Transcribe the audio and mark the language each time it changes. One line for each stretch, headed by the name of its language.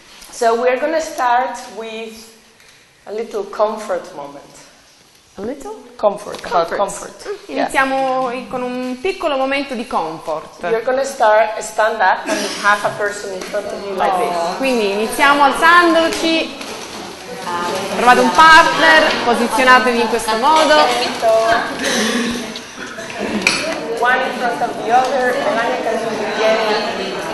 English: So we're going to start with a little comfort moment. A little? Comfort.
Italian: Iniziamo con un piccolo momento di comfort.
English: You're going to start stand up and half a person in front of you like this.
Italian: Quindi iniziamo alzandoci, trovate un partner, posizionatevi in questo modo.
English: One in front of the other, and Anya can do it again.